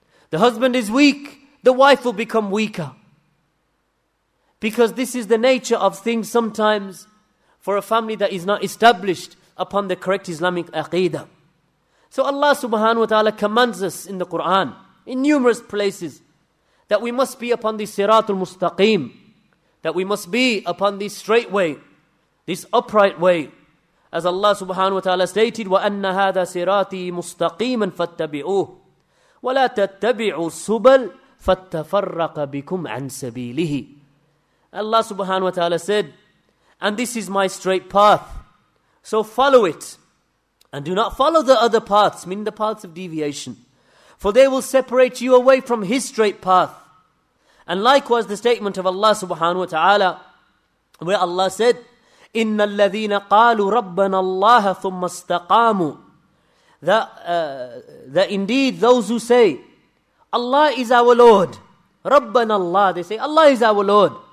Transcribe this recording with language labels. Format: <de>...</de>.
<en>The husband is weak, the wife will become weaker. Because this is the nature of things sometimes for a family that is not established upon the correct Islamic aqidah. So Allah subhanahu wa ta'ala commands us in the Quran, in numerous places, that we must be upon the siratul mustaqim, that we must be upon this straight way, this upright way. As Allah subhanahu wa ta'ala stated,</en> <ar>وَأَنَّ هَذَا سِرَاتِي مُسْتَقِيمًا فَاتَّبِعُوهُ وَلَا تَتَّبِعُوا السُّبَلْ فَاتَّفَرَّقَ بِكُمْ عَنْ سَبِيلِهِ.</ar> <en>Allah subhanahu wa ta'ala said, and this is my straight path, so follow it, and do not follow the other paths, meaning the paths of deviation, for they will separate you away from his straight path. And likewise the statement of Allah subhanahu wa ta'ala, where Allah said,</en> <ar>إِنَّ الَّذِينَ قَالُوا رَبَّنَا اللَّهَ ثُمَّ اسْتَقَامُوا,</ar> <en>that indeed those who say, Allah is our Lord,</en> <ar>رَبَّنَا اللَّهَ,</ar> <en>they say, Allah is our Lord,</en>